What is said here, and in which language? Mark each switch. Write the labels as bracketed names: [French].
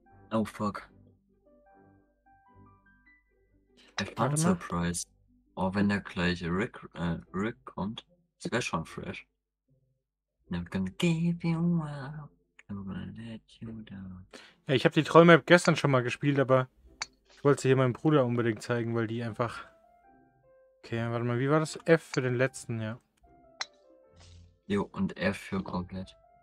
[English] Oh, fuck. A fun surprise. [German] Oh, wenn der gleiche Rick kommt, das wäre schon fresh. [English] Never gonna give you up, never gonna let you down. [German] Ja, ich habe die Trollmap gestern schon mal gespielt, aber ich wollte sie hier meinem Bruder unbedingt zeigen, weil die einfach... Okay, warte mal, wie war das? F für den letzten, ja. Jo, und F für komplett.